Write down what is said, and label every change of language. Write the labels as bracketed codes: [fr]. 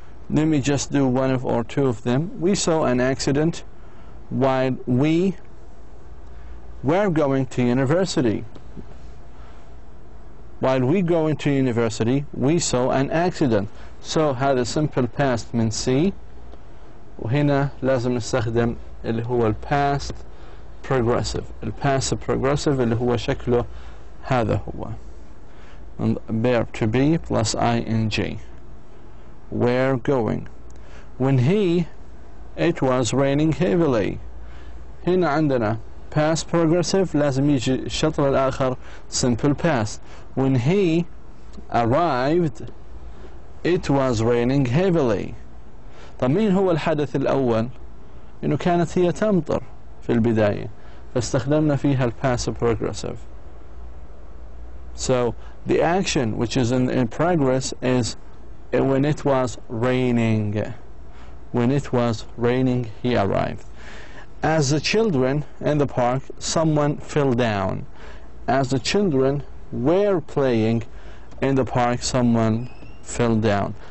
[en] Let me just do one of or two of them. We saw an accident while we were going to university. While we going to university, we saw an accident. So had a simple past [ar] من [en] C. [ar] وهنا لازم نستخدم اللي هو past progressive. The passive progressive اللي هو شكله هذا هو. [en] And verb to be plus ing. We're going. When he, it was raining heavily. [ar] هنا عندنا past progressive لازم يجي الشطر الآخر simple past. [en] When he arrived, it was raining heavily. [ar] طب مين هو الحدث الأول؟ إنه كانت هي تمطر في البداية. فاستخدمنا فيها الـ passive progressive. [en] So the action which is in progress is when it was raining. When it was raining, he arrived. As the children in the park, someone fell down. As the children were playing in the park, someone fell down.